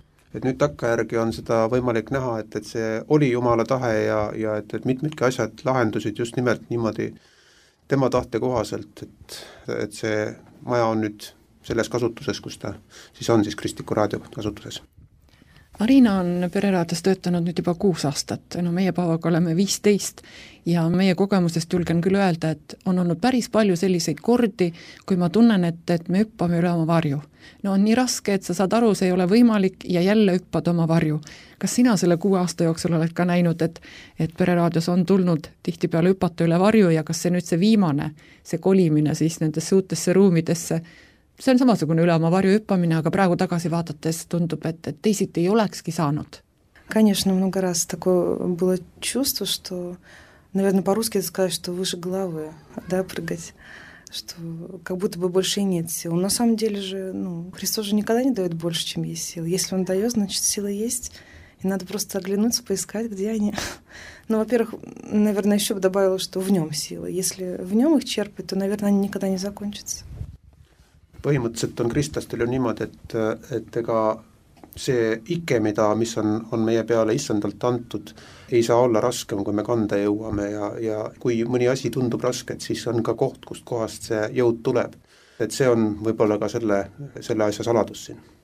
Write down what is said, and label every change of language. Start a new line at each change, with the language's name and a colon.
Estonian: Et nüüd takkajärgi on seda võimalik näha, et see oli Jumala tahe ja et mitmedki asjad lahendusid just nimelt niimoodi tema tahte kohaselt, et see maja on nüüd selles kasutuses, kus ta siis on siis Kristliku raadio kasutuses. Arina on pereraadios töötanud nüüd juba 6 aastat. No meie Paavaga oleme 15 ja meie kogemusest julgen küll öelda, et on olnud päris palju selliseid kordi, kui ma tunnen, et me üppame üle oma varju. No on nii raske, et sa saad aru, see ei ole võimalik ja jälle üppad oma varju. Kas sina selle 6 aasta jooksul oled ka näinud, et pereraadios on tulnud tihti peale üppata üle varju ja kas see nüüd see viimane, see kolimine siis nendesse uutesse ruumidesse, see on samasugune üle oma varju üppamine, aga praegu tagasi vaadates tundub, et teisiti ei olekski saanud.
Russian: Конечно, много раз такое было чувство, что, наверное, по-русски это сказать, что выше головы, да, прыгать, что как будто бы больше нет сил. На самом деле же, ну, Христос же никогда не дает больше, чем есть сил. Если он дает, значит, сила есть, и надо просто оглянуться, поискать, где они. Ну, во-первых, наверное, еще бы добавила, что в нем сила. Если в нем их черпать, то, наверное, они никогда не закончатся.
Estonian: Põhimõtteliselt on kristlastel ju niimoodi, et ega see ike, mida, mis on meie peale issandalt antud, ei saa olla raskem, kui me kanda jõuame ja kui mõni asi tundub raske, et siis on ka koht, kust kohast see jõud tuleb. Et see on võib-olla ka selle asja saladus siin.